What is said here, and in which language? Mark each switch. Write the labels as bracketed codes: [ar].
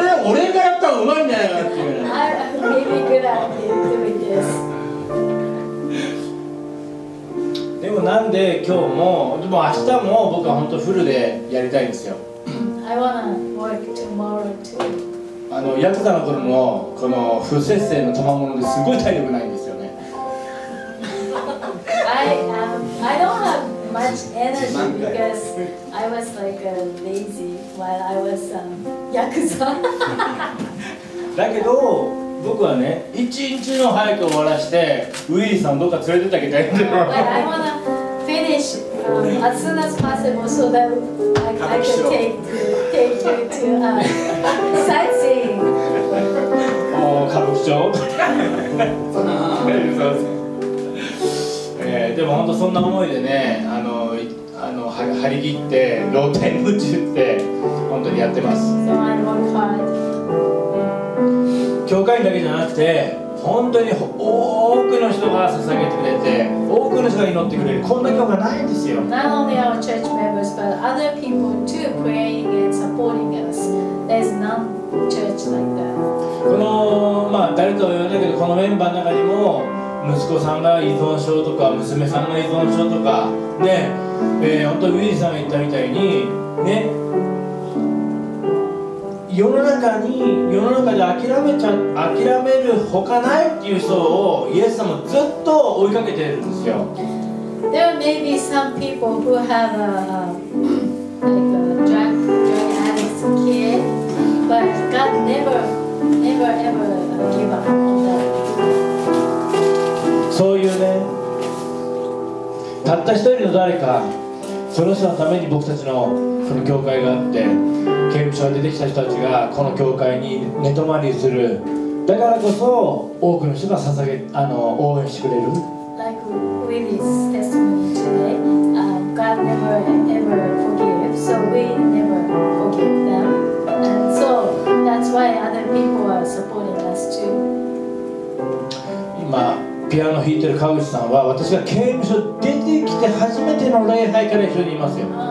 [ja] 俺がやったらうまいんじゃないかっていう。でもなんで今日も、でも明日も僕は本当フルでやりたいんですよ。 [en] I wanna work tomorrow too. [ja] あのヤクザの頃のこの不摂生の賜物ですごい体力ないんですよね。 [en] I don't have much energy because I was like a lazy while I was ヤクザ。 [ja] だけど僕はね、一日の早く終わらしてウィリーさんどっか連れてってあげたいんだよ。 [en] I wanna finish as soon as possible so that I can take you to sightseeing. [ja] おー、歌舞伎町そうなぁ。でも本当そんな思いでね、あの張り切って露天打ちって本当にやってます。 [en] So I work hard. [ja] 教会だけじゃなくて本当に多くの人が捧げてくれて多くの人が祈ってくれる、こんな教会ないんですよ。 [en] Not only our church members but other people too praying and supporting us. There's no church like that. [ja] このまあ誰とも言わないけどこのメンバーの中にも息子さんが依存症とか娘さんが依存症とかね、本当にウィリーさんが言ったみたいにね、世の中で諦める他ないっていう人をイエス様ずっと追いかけてるんですよ。 [en] There may be some people who have a, like a drug addict kid, but God never ever give up on that. [ja] そういうね、たった一人の誰か、その人のために僕たちのこの教会があって刑務所に出てきた人たちがこの教会に寝泊まりする、だからこそ多くの人が捧げ、あの応援してくれる。 [en] Like Willie's testimony today, God never ever forgives, so we never forgive them. And so that's why other people are supporting us too. [ja] 今ピアノ弾いてる川口さんは私が刑務所出てきて初めての礼拝から一緒にいますよ。